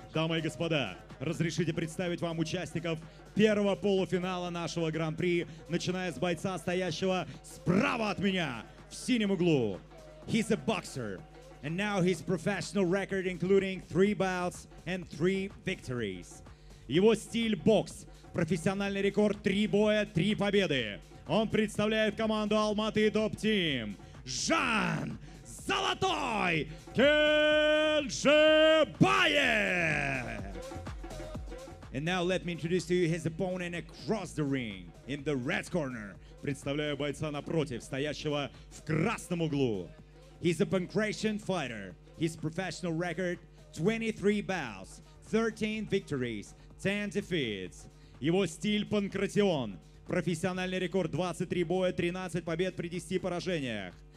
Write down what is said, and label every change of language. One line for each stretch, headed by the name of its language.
Russian: Дамы и господа, разрешите представить вам участников первого полуфинала нашего гран-при, начиная с бойца, стоящего справа от меня, в синем углу.
English: He's a boxer, and now his professional record including 3 bouts and 3 victories.
Russian: Его стиль – бокс. Профессиональный рекорд – 3 боя, 3 победы. Он представляет команду Алматы Топ Тим. Жан Золотой Кенжебаев!
English: And now let me introduce to you his opponent across the ring, in the red corner.
Russian: Представляю бойца напротив, стоящего в красном углу.
English: He's a Pancration fighter. His professional record – 23 bouts, 13 victories, 10 defeats.
Russian: Его стиль – Панкратион. Профессиональный рекорд – 23 боя, 13 побед при 10 поражениях.